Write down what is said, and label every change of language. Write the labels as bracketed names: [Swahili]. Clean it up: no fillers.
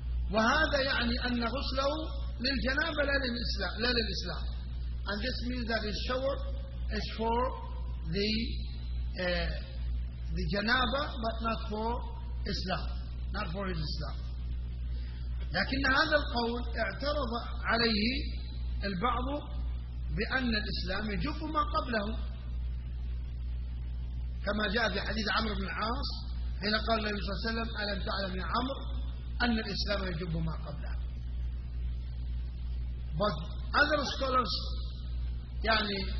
[Arabic] وهذا يعني أن غسله للجنابة لا للإسلام. [English] And this means that his shower is for the janaba, but not for Islam, not for his Islam. [Arabic] لكن هذا القول اعترض عليه البعض بأن الإسلام يجب ما قبله كما جاء في حديث عمرو بن العاص حين قال النبي صلى الله عليه وسلم ألم تعلم يا عمرو أن الإسلام يجب ما قبله. [English] But other scholars يعني